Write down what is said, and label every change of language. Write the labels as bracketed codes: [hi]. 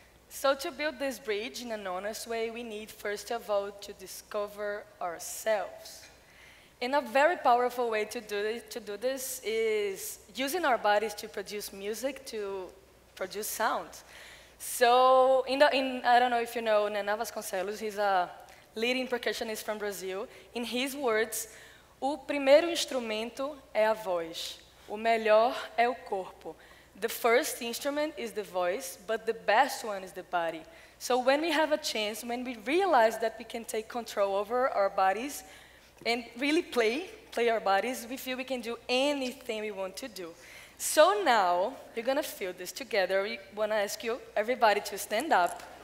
[en] So to build this bridge in an honest way, we need first of all to discover ourselves. And a very powerful way to do this is using our bodies to produce music, to produce sound. So, I don't know if you know Nena Vasconcelos, he's a leading percussionist from Brazil. In his words, [pt] o primeiro instrumento é a voz, o melhor é o corpo. [en] The first instrument is the voice, but the best one is the body. So when we have a chance, when we realize that we can take control over our bodies and really play our bodies, we feel we can do anything we want to do. So now, you're gonna feel this together. We wanna ask you, everybody, to stand up.